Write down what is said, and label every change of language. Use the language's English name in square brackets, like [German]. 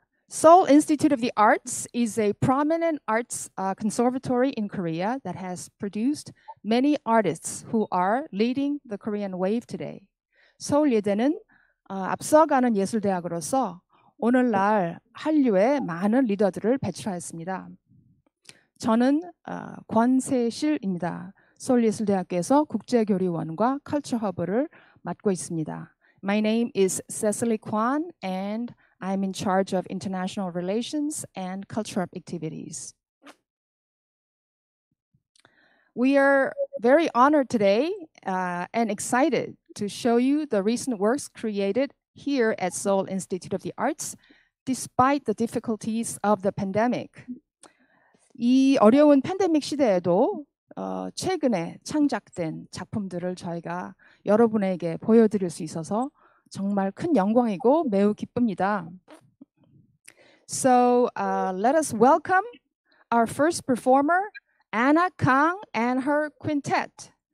[English] Seoul Institute of the Arts is a prominent arts conservatory in Korea that has produced many artists who are leading the Korean wave today. [Korean] 서울 예대는 앞서가는 예술 대학으로서 오늘날 한류의 많은 리더들을 배출하였습니다. 저는 권세실입니다. 서울 예술대학교에서 국제교류원과 컬처 허브를 맡고 있습니다. [English] My name is Cecily Kwan and I'm in charge of international relations and cultural activities. We are very honored today and excited to show you the recent works created here at Seoul Institute of the Arts despite the difficulties of the pandemic. [Korean] 이 어려운 팬데믹 시대에도 최근에 창작된 작품들을 저희가 여러분에게 보여드릴 수 있어서 정말 큰 영광이고 매우 기쁩니다. [English] So let us welcome our first performer, Anna Kang and her quintet.